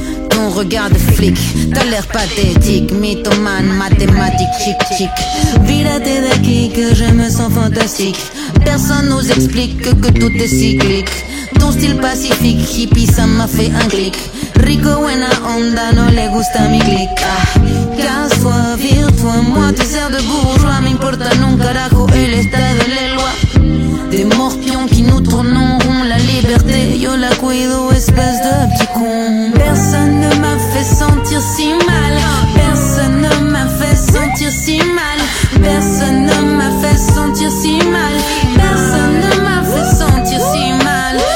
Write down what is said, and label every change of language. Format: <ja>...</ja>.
<fr>Ton regard de flic, t'as l'air pathétique. Mythoman, mathématique, chic chic.</fr> <es>Vírate de aquí</es> <fr>que je me sens fantastique. Personne nous explique que tout est cyclique. Ton style pacifique, hippie, ça m'a fait un clic.</fr> <es>Rico, buena onda, no le gusta mi clic.</es> <fr>Casse-toi, vire-toi, moi, tu sers de bourgeois. M'importe</fr> <es>un carajo, el estado de la loi.</es> <fr>Des morpions qui nous tourneront la liberté.</fr> <es>Yo la cuido,</es> <fr>espèce de petit con. Personne ne m'a fait sentir si mal. Personne ne m'a fait sentir si mal. Personne ne m'a fait sentir si mal. Personne ne m'a fait sentir si mal.</fr>